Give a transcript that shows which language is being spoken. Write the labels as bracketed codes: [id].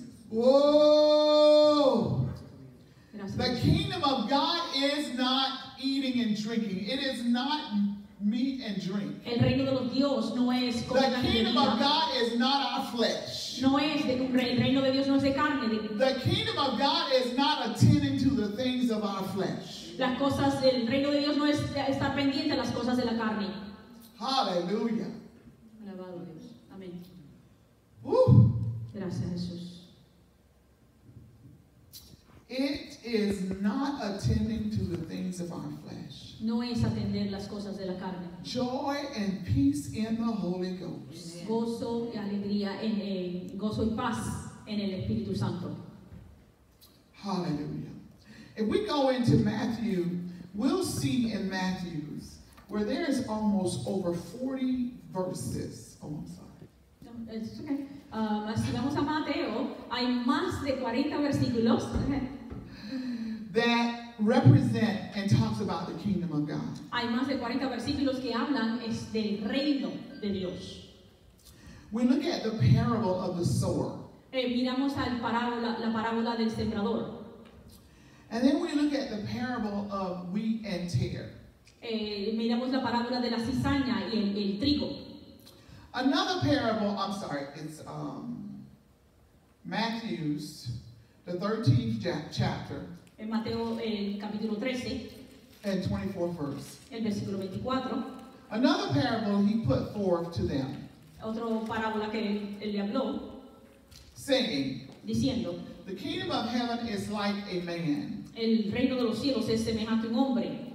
[en] Oh, the kingdom of God is not eating and drinking. It is not meat and drink. [es] El reino de los Dios no es comida ni bebida. [en] The kingdom of God is not our flesh. [es] No es de, el reino de Dios no es de carne. De, [en] the kingdom of God is not attending to the things of our flesh. [es] Las cosas, el reino de Dios no es estar pendiente a las cosas de la carne. [en] Hallelujah. [es] Alabado Dios. Amén. Woo. Gracias, Jesús. [en] It is not attending to the things of our flesh. [es] No es atender las cosas de la carne. [en] Joy and peace in the Holy Ghost. Amen. [es] Gozo y alegría en el gozo y paz en el Espíritu Santo. [en] Hallelujah. If we go into Matthew, we'll see in Matthew's where there is almost over 40 verses. Oh, I'm sorry. It's okay. [es] Si vamos a Mateo, hay más de 40 versículos [en] that represent and talks about the kingdom of God. [es] Hay más de 40 versículos que hablan es del reino de Dios. [en] We look at the parable of the sower. [es] Miramos al parábola, la parábola del sembrador. [en] And then we look at the parable of wheat and tares. [es] Miramos la parábola de la cizaña y el trigo. [en] Another parable, I'm sorry, it's Matthew's, the 13th chapter. [es] En Mateo, el capítulo 13. [en] And 24th verse. [es] El versículo 24. [en] Another parable he put forth to them. [es] Otro parábola que él le habló. [en] Saying. [es] Diciendo. [en] The kingdom of heaven is like a man. [es] El reino de los cielos es semejante a un hombre.